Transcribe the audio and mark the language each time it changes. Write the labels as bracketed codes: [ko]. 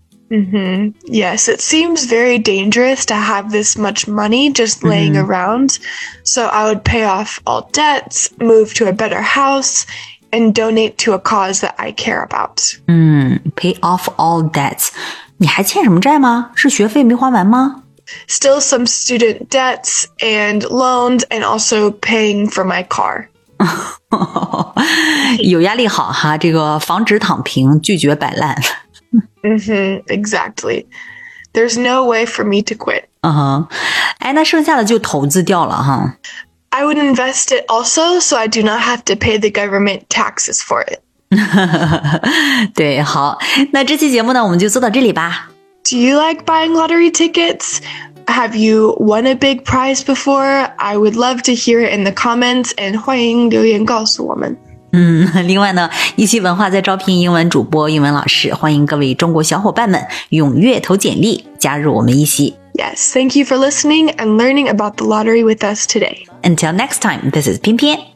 [en] Yes, it seems very dangerous to have this much money just laying around. So I would pay off all debts, move to a better house,and donate to a cause that I care about. Pay off all debts. [zh] 你还欠什么债吗？是学费没还完吗？ [en] Still some student debts and loans and also paying for my car. [zh] 有压力好哈，这个防止躺平，拒绝摆烂。 [en] exactly. There's no way for me to quit. [zh] 哎，那剩下的就投资掉了哈。 [en] I would invest it also, so I do not have to pay the government taxes for it. [zh] 对，好，那这期节目呢，我们就做到这里吧。 [en] Do you like buying lottery tickets? Have you won a big prize before? I would love to hear it in the comments, and [zh] 欢迎留言告诉我们。另外呢，一期文化在招聘英文主播、英文老师，欢迎各位中国小伙伴们踊跃投简历，加入我们一期。 [en] Yes, thank you for listening and learning about the lottery with us today. Until next time, this is Pian Pian.